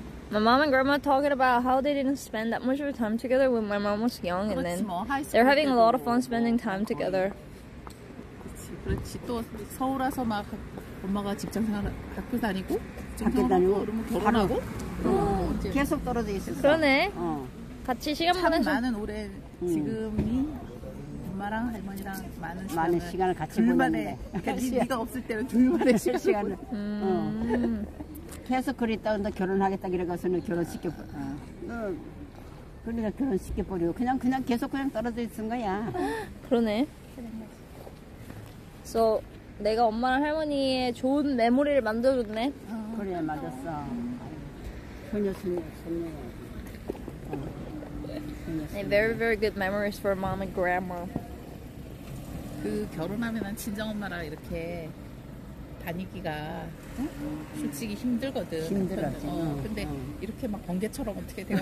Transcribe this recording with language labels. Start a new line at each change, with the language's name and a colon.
English: My mom and grandma talking about how they didn't spend that much of their time together when my mom was young, and then they're having a lot of fun spending time together.
Korean: 그렇지, 그렇지. 또 서울 와서 막 엄마가 직장 생활, 학교 다니고, 학교 다니고, 결혼하고, 계속 떨어져 있었어. 그러네. 같이 시간 보내서. 참 많은 오래 지금이 엄마랑 할머니랑 많은 시간을 같이 보냈네. 둘만의, 네가 없을 때는 둘만의 시간을. 계속 그랬다 근데 결혼하겠다 그래가서는 결혼시켜 버려. 그러니까 결혼시켜 버리고 그냥 계속 그냥 떨어져 있은 거야. 그러네. So 내가 엄마랑 할머니의 좋은 메모리를 만들어줬네. 그래 맞았어. 전혀 손녀.
English: And very, very good memories for mom and grandma.
Korean: 그 결혼하면 난 친정엄마랑 이렇게 다니기가 응? 솔직히 힘들거든. 힘들었지. 어, 근데 어. 이렇게 막 번개처럼 어떻게 돼요?